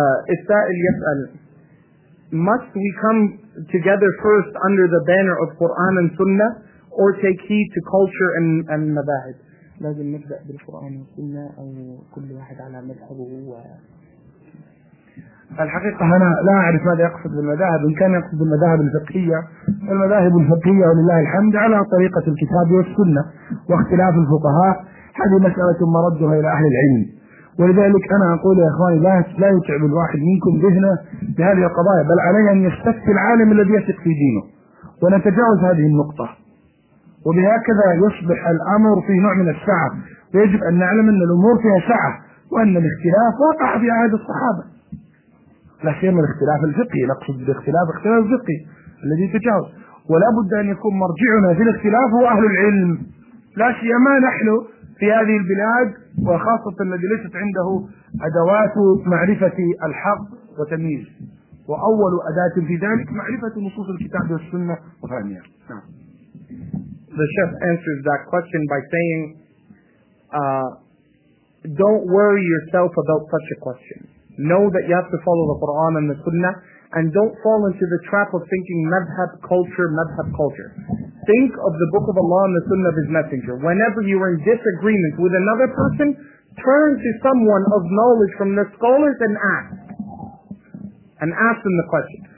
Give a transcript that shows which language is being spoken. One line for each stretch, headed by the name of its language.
Arabic: السائل يسأل,
English: must we come together first under the banner of Quran and Sunnah, or take heed to culture and مذاهب؟
Arabic: لازم نبدأ بالقرآن والسنة أو كل واحد على مذهبه؟ الحقيقة أنا لا أعرف ماذا يقصد بالمذاهب. إن كان يقصد المذاهب الفقهية, المذاهب الفقهية ولله الحمد على طريقة الكتاب والسنة, واختلاف الفقهاء هذه مسألة مردها إلى أهل العلم. ولذلك أنا أقول يا إخواني, لا يتعب الواحد منكم ذهنه بهذه القضايا, بل علينا أن يستفتي العالم الذي يثق في دينه ونتجاوز هذه النقطة. وبهكذا يصبح الأمر في نوع من السعة, ويجب أن نعلم أن الأمور فيها سعة, وأن الاختلاف وقع في عهد الصحابة, لا سيما الاختلاف الفقهي. نقصد بالاختلاف اختلاف الفقهي الذي تجاوز, ولا بد أن يكون مرجعنا في الاختلاف هو أهل العلم, لا سيما نحن في هذه البلاد, وخاصة الذي ليست عنده أدوات معرفة الحق وتمييز. وأول أداة في ذلك معرفة نصوص الكتاب والسنة وفهمها.
English: The chef answers that question by saying, don't worry yourself about such a question. Know that you have to follow the Quran and the Sunnah, and don't fall into the trap of thinking madhab culture. Think of the Book of Allah and the Sunnah of His Messenger. Whenever you are in disagreement with another person, turn to someone of knowledge from the scholars and ask. And ask them the question.